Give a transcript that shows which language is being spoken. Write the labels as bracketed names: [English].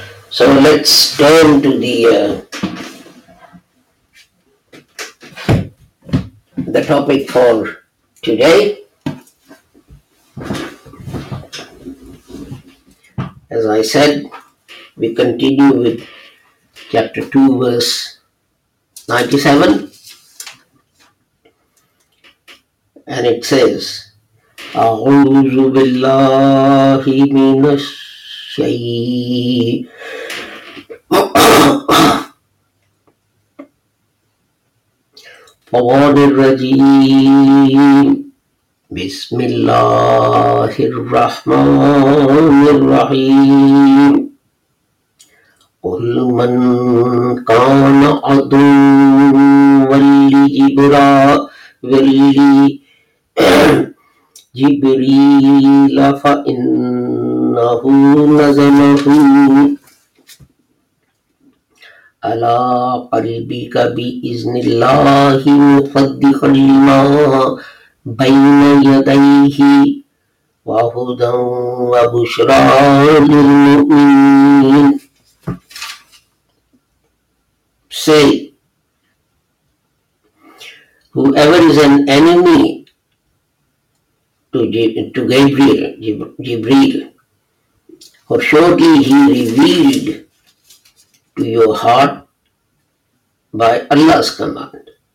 [English] So let's turn to the topic for today. As I said, we continue with chapter 2, verse 97. And it says, [Arabic] أعوذ بالله من الشيطان الرجيم بسم الله الرحمن الرحيم قل من كان عدوا لجبريل جبريل فإنه نزله على قلبك بإذن الله مصدقا لما بين يديه وهدى وبشرى للمؤمنين. [English] Say, whoever is an enemy to Jibreel, for surely he revealed to your heart by Allah's command,